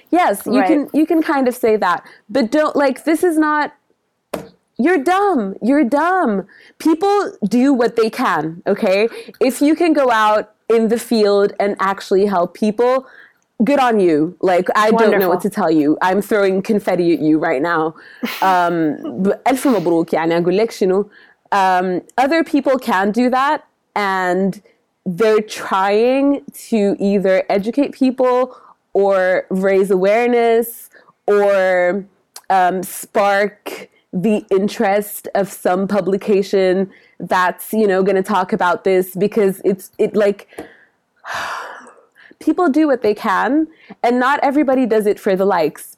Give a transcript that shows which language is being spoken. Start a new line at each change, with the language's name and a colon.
English: Yes, you can kind of say that, but don't, like, this is not, You're dumb. People do what they can, okay? If you can go out in the field and actually help people, good on you. Like, I Wonderful. Don't know what to tell you. I'm throwing confetti at you right now.
Arabic: ألف مبروك يعني أقول لك شنو.
English: Other people can do that, and they're trying to either educate people or raise awareness or spark the interest of some publication that's, you know, going to talk about this, because it's like, people do what they can, and not everybody does it for the likes.